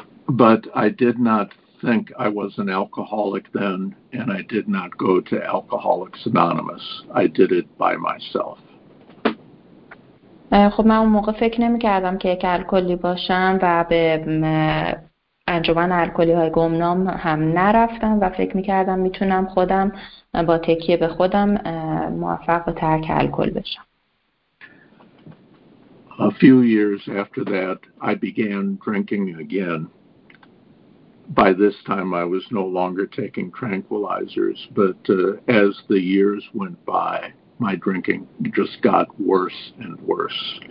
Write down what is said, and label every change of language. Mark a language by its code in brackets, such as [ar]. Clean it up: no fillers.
[en] But I did not think I was an alcoholic then, and I did not go to Alcoholics Anonymous. I did it by myself. [fa] خب من اون موقع فکر نمی‌کردم که یک الکلی باشم و به انجمن الکلی‌های گمنام هم نرفتم و فکر می‌کردم می‌تونم خودم با تکیه به خودم موفق به ترک الکل بشم. [en] A few years after that, I began drinking again. By this time, I was no longer taking tranquilizers, but as the years went by, my drinking just got worse and worse.